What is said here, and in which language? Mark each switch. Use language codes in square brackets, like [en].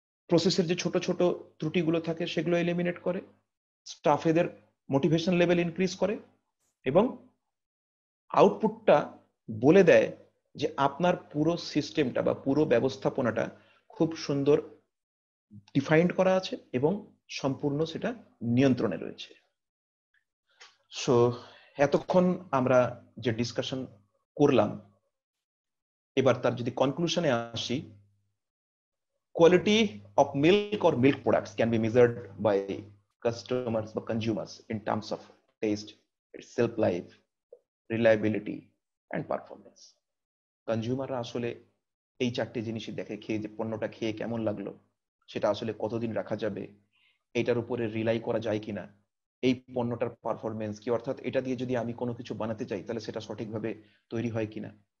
[bn] প্রসেসের যে ছোট ছোট ত্রুটিগুলো থাকে সেগুলো এলিমিনেট করে, স্টাফেদের মোটিভেশন লেভেল ইনক্রিজ করে, এবং আউটপুটটা বলে দেয় যে আপনার পুরো সিস্টেমটা বা পুরো ব্যবস্থাপনাটা খুব সুন্দর ডিফাইন্ড করা আছে এবং সম্পূর্ণ সেটা নিয়ন্ত্রণে রয়েছে। সো এতক্ষণ আমরা যে ডিসকাশন করলাম, এবার তার যদি কনক্লুশনে আসি, [en] quality of milk or milk products can be measured by customers or consumers in terms of taste, its shelf life, reliability and performance. [bn] Consumer আসলে এই চারটি জিনিসই দেখে, খেয়ে যে পণ্যটা খেয়ে কেমন লাগলো, সেটা আসলে কতদিন রাখা যাবে, এটার উপরে রিলাই করা যায় কিনা, এই পণ্যটার পারফরমেন্স কি, অর্থাৎ এটা দিয়ে যদি আমি কোনো কিছু বানাতে চাই তাহলে সেটা সঠিকভাবে তৈরি হয় কিনা।